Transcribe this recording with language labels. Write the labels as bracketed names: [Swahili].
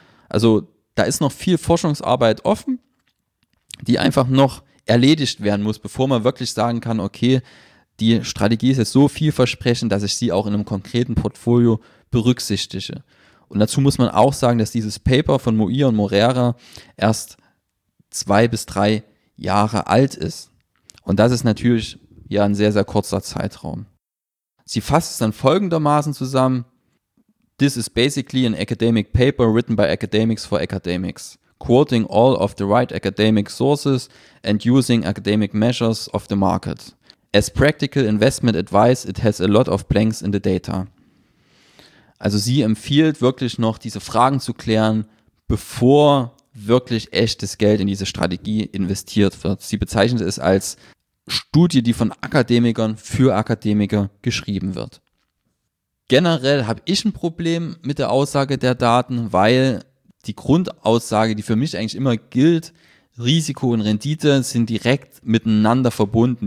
[German] Also da ist noch viel Forschungsarbeit offen, die einfach noch erledigt werden muss, bevor man wirklich sagen kann, okay, die Strategie ist jetzt so vielversprechend, dass ich sie auch in einem konkreten Portfolio berücksichtige. Und dazu muss man auch sagen, dass dieses Paper von Muir und Moreira erst 2 bis 3 Jahre alt ist. Und das ist natürlich ja ein sehr, sehr kurzer Zeitraum. Sie fasst es dann folgendermaßen zusammen. [English] This is basically an academic paper written by academics for academics, quoting all of the right academic sources and using academic measures of the market. As practical investment advice, it has a lot of blanks in the data. [German] Also sie empfiehlt wirklich noch, diese Fragen zu klären, bevor wirklich echtes Geld in diese Strategie investiert wird. Sie bezeichnet es als Studie, die von Akademikern für Akademiker geschrieben wird. Generell habe ich ein Problem mit der Aussage der Daten, weil die Grundaussage, die für mich eigentlich immer gilt, Risiko und Rendite sind direkt miteinander verbunden.